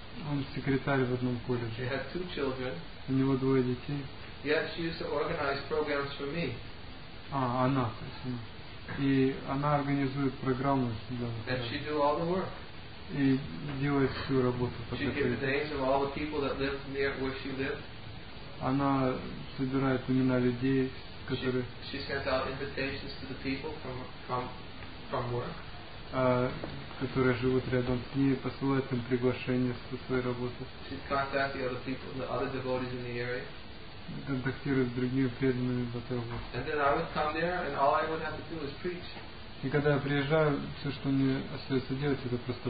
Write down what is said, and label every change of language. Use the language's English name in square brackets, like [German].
[Russian] Он секретарь в одном колледже. [English] She had two children. [Russian] У него двое детей. [English] Yet she used to organize programs for me. [Russian] Она, то есть она. И она организует программу. Да, [English] and she do all the work. [Russian] И делает всю работу. [English] She gives the names of all the people that live near where she lived. [Russian] Она собирает имена людей, которые. [English] She sends out invitations to the people from work. [Russian] Которые живут рядом с ней, посылают им приглашение со своей работы. [English] She contacts the other people, the other devotees in the area. [Russian] Контактирует с другими преданными в этой области. И когда я приезжаю, все, что мне остается делать, это просто